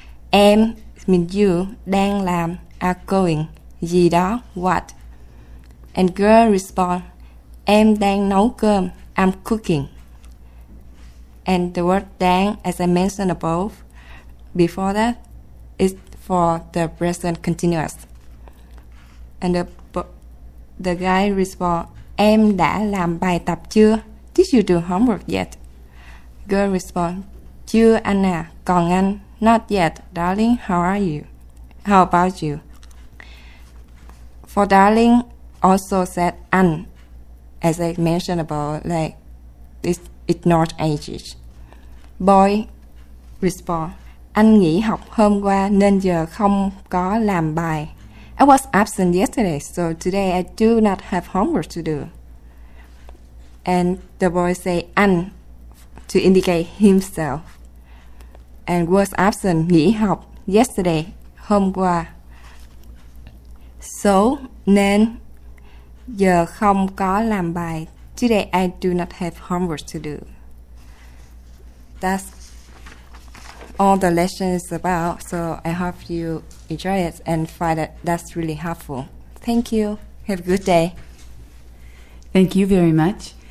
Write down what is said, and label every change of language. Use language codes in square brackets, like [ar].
[en] Em means you, [vi] đang làm, [en] are going, [vi] gì đó, [en] what? And girl respond, [vi] em đang nấu cơm, [en] I'm cooking. And the word dang, as I mentioned above, before that, is for the present continuous. And the guy responds, [vi] em đã làm bài tập chưa? [en] Did you do homework yet? Girl responds, [vi] chưa anh à, còn anh? [en] Not yet, darling, how are you? How about you? For darling, also said anh, as I mentioned above, like, this it's not ages. Boy respond, [vi] anh nghỉ học hôm qua nên giờ không có làm bài. [en] I was absent yesterday, so today I do not have homework to do. And the boy say anh to indicate himself. And was absent, [vi] nghỉ học, [en] yesterday, [vi] hôm qua. So, nên giờ không có làm bài. [en] Today I do not have homework to do. That's all the lesson is about, so I hope you enjoy it and find that that's really helpful. Thank you. Have a good day. Thank you very much.